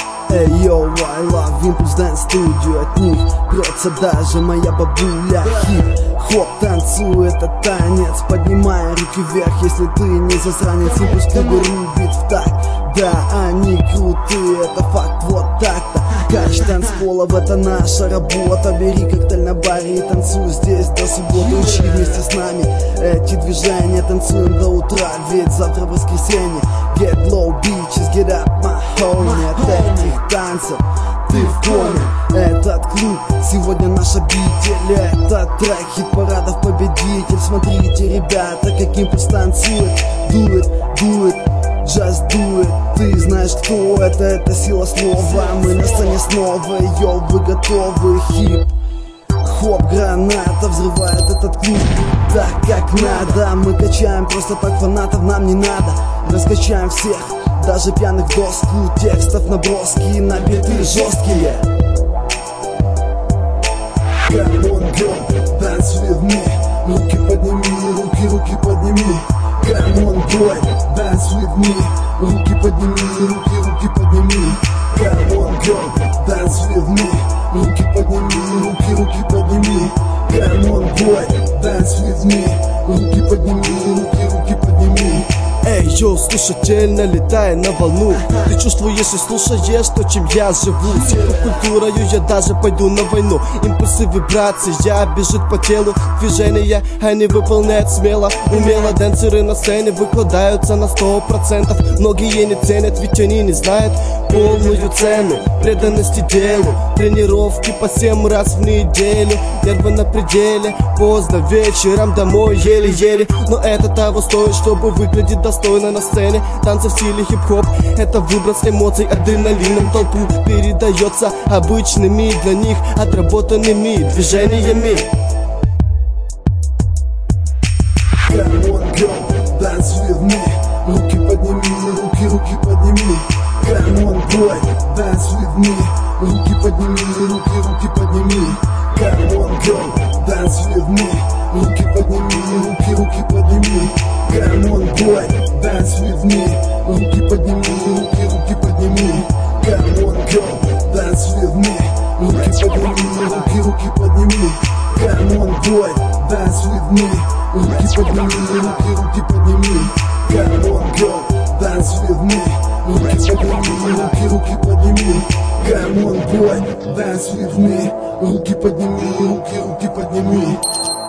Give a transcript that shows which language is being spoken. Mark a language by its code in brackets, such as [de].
[ru] Эй, йоу, [en] I love Impulse Dance Studio. [ru] От них прется даже моя бабуля. Хип, хоп, танцуй этот танец, поднимая руки вверх, если ты не засранец. И пусть как бы рубит в такт. Да, они крутые, это факт, вот так-то. Каш, танц пола, это наша работа. Бери коктейль на баре и танцуй здесь до субботы. Учи вместе с нами эти движения. Танцуем до утра, ведь завтра воскресенье. [en] Get low, bitches, get up, my homie. [ru] От этих танцев ты в коме. Этот клуб сегодня наш обитель. Этот трек хит-парадов победитель. Смотрите, ребята, как импульс танцует. [en] Do it, do it, just do it. [ru] Ты знаешь, кто это сила слова. Мы на сцене снова, йоу, вы готовы? Хип, хоп, граната взрывает этот клуб. Так как надо, мы качаем просто так фанатов, нам не надо. Раскачаем всех, даже пьяных в доску. Текстов наброски на биты жесткие. [en] Come on, girl, dance with me. [ru] Руки подними, руки подними. [en] Come on, boy, dance with me. [ru] Руки подними, руки подними. [en] Come on, girl, dance with me. [ru] Руки подними, руки подними. [en] Come on, boy, dance with me. [ru] Руки подними, руки подними. Эй, йоу, слушатель, налетай на волну. Ты чувствуешь и слушаешь то, чем я живу. С культурою я даже пойду на войну. Импульсы, вибрации, бежит по телу. Движения они выполняют смело, умело. Дэнсеры на сцене выкладываются на 100%. Многие не ценят, ведь они не знают полную цену преданности делу. Тренировки по 7 раз в неделю. Нервы на пределе, поздно вечером, домой еле-еле. Но это того стоит, чтобы выглядеть достойно на сцене. Танцы в стиле хип-хоп — это выброс эмоций адреналином. Толпу передается обычными для них отработанными движениями. [en] Come on, girl, dance with me. [ru] Руки подними, руки подними. [en] Come on, boy, dance with me. [ru] Руки подними, руки подними. [en] Come on, girl, dance with me. [ru] Руки подними, руки подними. [en] Come on, boy, dance with me. [ru] Руки подними, руки подними. [en] Come on, girl, dance with me. [ru] Руки подними, руки подними. [en] Come on, boy, dance with me. [ru] Руки подними, руки подними. [en] Come on, girl, dance with me. [ru] Руки подними, руки подними. [en] Come on, boy, dance with me. [ru] Руки подними, руки подними.